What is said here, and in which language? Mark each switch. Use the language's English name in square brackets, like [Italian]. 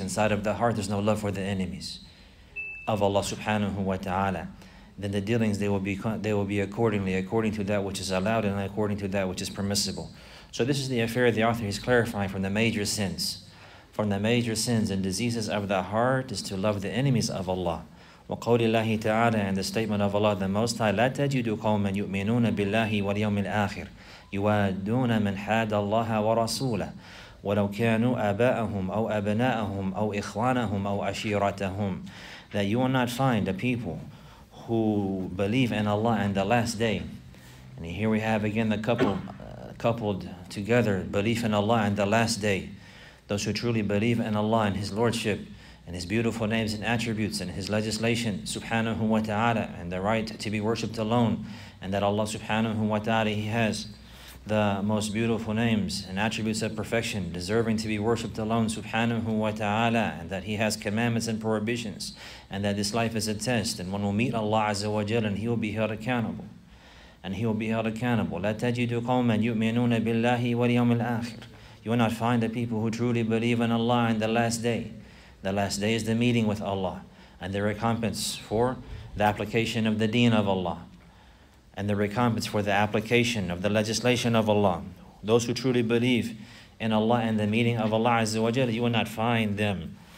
[English] Inside of the heart, there's no love for the enemies of Allah subhanahu wa ta'ala. Then the dealings, they will be accordingly, according to that which is allowed and according to that which is permissible. So this is the affair the author is clarifying from the major sins. From the major sins and diseases of the heart is to love the enemies of Allah. [Arabic] وَقَوْلِ اللَّهِ تَعَالَى [English] And the statement of Allah the Most High, [Arabic] لَا تَجِدُ قَوْمًا يُؤْمِنُونَ بِاللَّهِ وَالْيَوْمِ الْآخِرِ يُوَادُونَ مَنْ حَادَ اللَّهَ وَرَسُولَهُ وَلَوْ كَانُوا آبَاءَهُمْ أَوْ أَبْنَاءَهُمْ أَوْ إِخْوَانَهُمْ أَوْ عَشِيرَتَهُمْ [English] That you will not find a people who believe in Allah and the last day. And here we have again the couple, coupled together, belief in Allah and the last day. Those who truly believe in Allah and His Lordship and his beautiful names and attributes and his legislation, subhanahu wa ta'ala, and the right to be worshipped alone, and that Allah subhanahu wa ta'ala, he has the most beautiful names and attributes of perfection, deserving to be worshipped alone, subhanahu wa ta'ala, and that he has commandments and prohibitions, and that this life is a test, and one will meet Allah azza wa jalla, and he will be held accountable. [Arabic] لا تجد قوما يؤمنون بالله واليوم الآخر. [English] You will not find the people who truly believe in Allah in the last day. The last day is the meeting with Allah, and the recompense for the application of the deen of Allah, and the recompense for the application of the legislation of Allah. Those who truly believe in Allah and the meeting of Allah Azza wa Jalla, you will not find them.